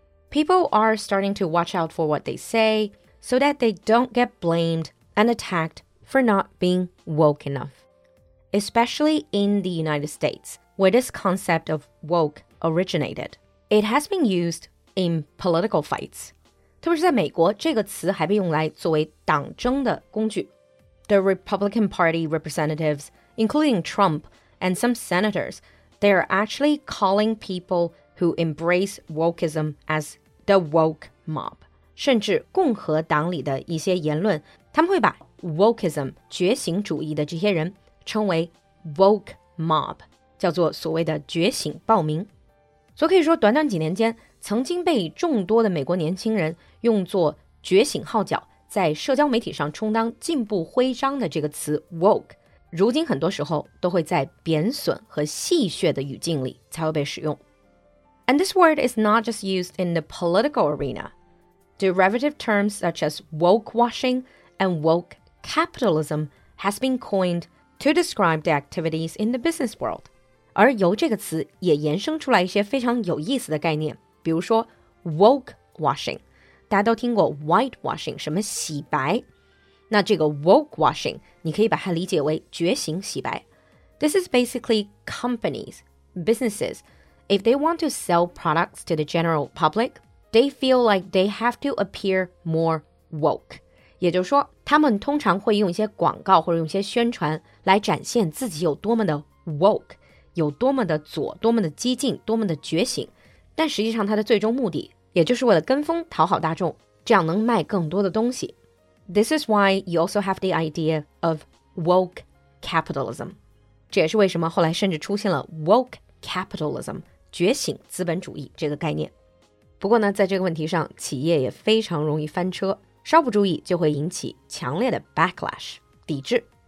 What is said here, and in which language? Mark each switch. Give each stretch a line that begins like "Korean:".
English: People are starting to watch out for what they say so that they don't get blamed and attacked for not being woke enough. Especially in the United States, where this concept of woke originated, it has been used in political fights.
Chinese: 特别是在美国，这个词还被用来作为党争的工具。
English: The Republican Party representatives, including Trump and some senators, they are actually calling people who embrace wokeism as the woke mob.
Chinese: 甚至共和党里的一些言论，他们会把 wokeism 觉醒主义的这些人称为 woke mob, 叫做所谓的觉醒暴民。所以可以说，短短几年间，曾经被众多的美国年轻人用作觉醒号角，在社交媒体上充当进步徽章的这个词 woke, 如今很多时候都会在贬损和戏谑的语境里才会被使用。
English: And this word is not just used in the political arena. Derivative terms such as woke washing and woke capitalism has been coined to describe the activities in the business world.
Chinese: 而由这个词也延伸出来一些非常有意思的概念，比如说 woke washing,大家都听过 whitewashing, 什么洗白。那这个 wokewashing, 你可以把它理解为觉醒洗白。
English: This is basically companies, businesses, if they want to sell products to the general public, they feel like they have to appear more woke.
Chinese: 也就是说，他们通常会用一些广告或者用一些宣传来展现自己有多么的 woke, 有多么的左，多么的激进，多么的觉醒。但实际上它的最终目的也就是为了跟风讨好大众，这样能卖更多的东西。
English: This is why you also have the idea of woke capitalism.
Chinese: 这也是为什么后来甚至出现了 woke capitalism, 觉醒资本主义这个概念。不过呢，在这个问题上，企业也非常容易翻车，稍不注意就会引起强烈的 backlash, 抵制。